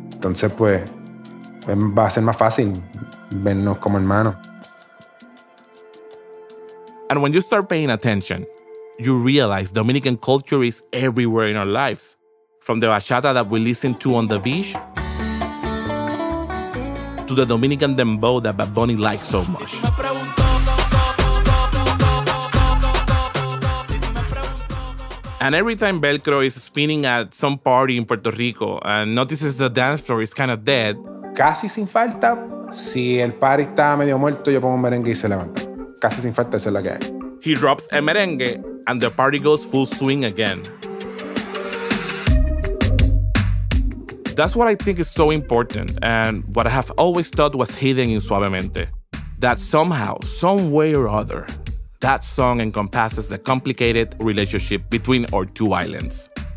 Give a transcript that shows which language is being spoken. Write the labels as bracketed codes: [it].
[es] Entonces, pues, va a ser más fácil vernos como hermanos. [en] And when you start paying attention, you realize Dominican culture is everywhere in our lives. From the bachata that we listen to on the beach, to the Dominican dembow that Bad Bunny likes so much. And every time Velcro is spinning at some party in Puerto Rico and notices the dance floor is kind of dead. [es] Casi sin falta, si el party está medio muerto, yo pongo un merengue y se levanta. Casi sin falta, esa es la que hay. [en] He drops a merengue and the party goes full swing again. That's what I think is so important and what I have always thought was hidden in Suavemente. That somehow, some way or other, that song encompasses the complicated relationship between our two islands.